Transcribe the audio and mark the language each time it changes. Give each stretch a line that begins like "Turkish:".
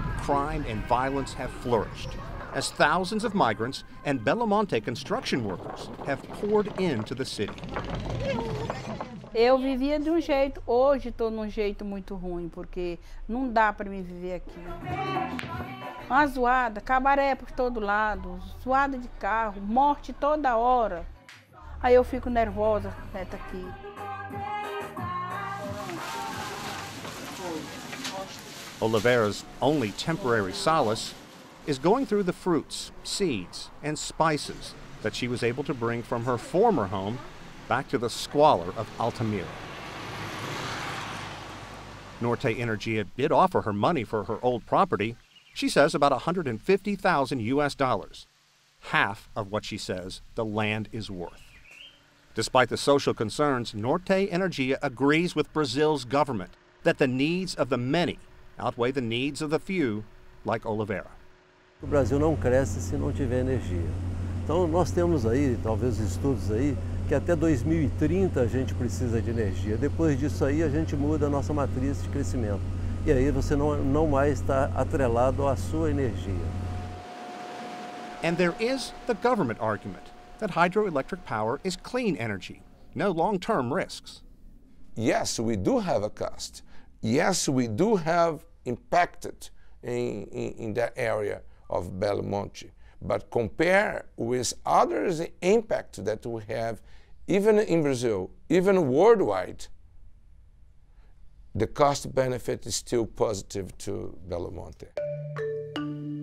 English: Crime and violence have flourished as thousands of migrants and Belo Monte construction workers have poured into the city.
Portuguese: Eu vivia de jeito, hoje estou num jeito muito ruim, porque não dá para me viver aqui. Uma zoada, cabaré por todo lado, zoada de carro, morte toda hora. Aí eu fico nervosa, neta, aqui.
English: Oliveira's only temporary solace is going through the fruits, seeds, and spices that she was able to bring from her former home back to the squalor of Altamira. Norte Energia did offer her money for her old property, she says about 150,000 US dollars, half of what she says the land is worth. Despite the social concerns, Norte Energia agrees with Brazil's government that the needs of the many outweigh the needs of the few, like Oliveira.
Portuguese: O Brasil não cresce se não tiver energia. Então nós temos aí, talvez estudos aí, que até 2030 a gente precisa de energia. Depois disso aí a gente muda a nossa matriz de crescimento. E aí você não mais está atrelado à sua energia.
English: And there is the government argument that hydroelectric power is clean energy, no long-term risks. Yes, we do have a cost. Yes, we do have impacted in that area of Belo Monte, but compare with others' impact that we have, even in Brazil, even worldwide, the cost benefit is still positive to Belo Monte.